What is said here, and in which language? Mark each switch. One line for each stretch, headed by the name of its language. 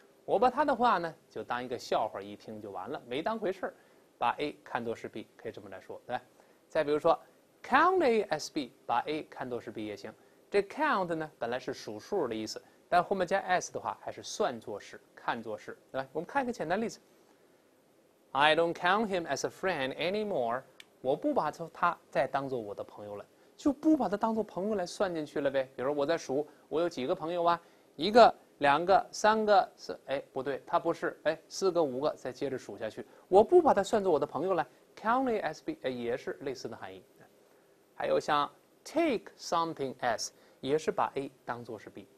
Chinese: 我把他的话呢，就当一个笑话一听就完了，没当回事儿，把 a 看作是 b， 可以这么来说，对吧？再比如说 ，
English: count a as b，
Chinese: 把 a 看作是 b 也行。这 count 呢，本来是数数的意思，但后面加 s 的话，还是算作是。看作是，来，我们看一个简单例子。
English: I don't count him as a friend anymore。
Chinese: 我不把他再当做我的朋友了，就不把他当做朋友来算进去了呗。比如我在数，我有几个朋友啊？一个、两个、三个、四，哎，不对，他不是，哎，四个、五个，再接着数下去，我不把他算作我的朋友了。
English: Count it as B，
Chinese: 哎，也是类似的含义。还有像
English: take something as，
Chinese: 也是把 A 当作是 B。